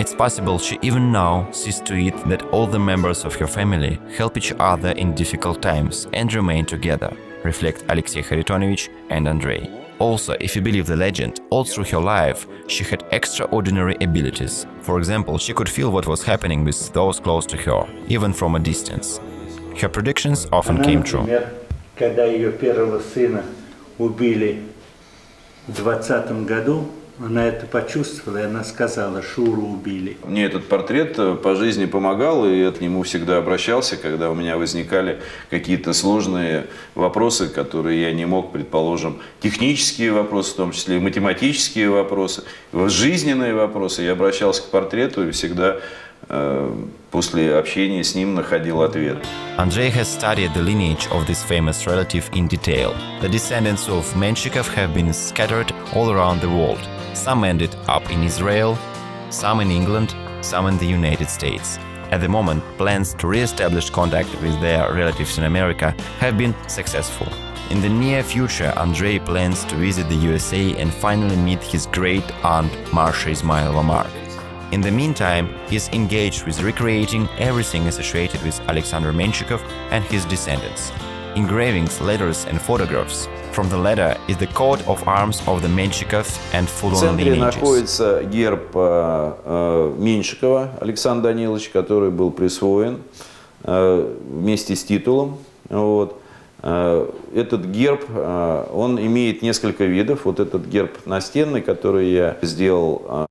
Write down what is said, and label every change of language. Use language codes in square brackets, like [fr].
[en] It's possible she even now sees to it that all the members of her family help each other in difficult times and remain together. reflect Alexey Haritonovich and Andrei. Also, if you believe the legend, all through her life, she had extraordinary abilities. For example, she could feel what was happening with those close to her, even from a distance. Her predictions often came true. [ru] Например, когда ее первого сына убили в 20-м году, она это почувствовала, и она сказала, Шуру убили. Мне этот портрет по жизни помогал, и я к нему всегда обращался, когда у меня возникали какие-то сложные вопросы, которые я не мог, предположим, технические вопросы, в том числе математические вопросы, жизненные вопросы. Я обращался к портрету и всегда после общения с ним находил ответ. [en] Andrei has studied the lineage of this famous relative in detail. The descendants of Menshikov have been scattered all around the world. Some ended up in Israel, some in England, some in the United States. At the moment, plans to re-establish contact with their relatives in America have been successful. In the near future, Andrei plans to visit the USA and finally meet his great aunt Marsha Ismailova Mark. In the meantime, he is engaged with recreating everything associated with Alexander Menshikov and his descendants. Engravings, letters and photographs. From the letter is the coat of arms of the Menshikov and full-on lineages. [ru] В центре находится герб Меншикова Александра Даниловича, который был присвоен вместе с титулом. Вот. Этот герб, он имеет несколько видов. Вот этот герб настенный, который я сделал.